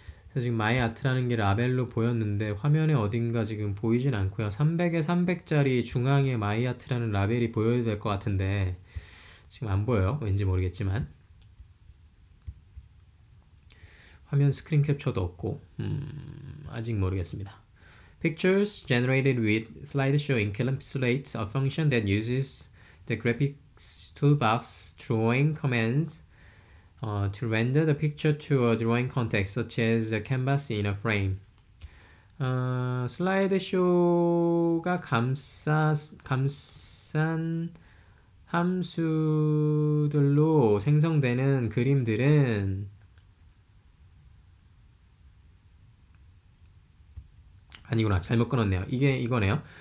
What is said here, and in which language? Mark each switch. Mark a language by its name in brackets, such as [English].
[Korean] 그래서 지금 마이 아트라는 게 라벨로 보였는데 화면에 어딘가 지금 보이진 않고요. 300에 300짜리 중앙에 마이 아트라는 라벨이 보여야 될것 같은데 지금 안 보여요. 왠지 모르겠지만. 화면 스크린 캡처도 없고, 아직 모르겠습니다. [English] Pictures generated with slideshow encapsulates a function that uses the graphics toolbox drawing command to render the picture to a drawing context, such as a canvas in a frame. [Korean] 슬라이드쇼가 감싼 함수들로 생성되는 그림들은 아니구나, 잘못 끊었네요. 이게 이거네요.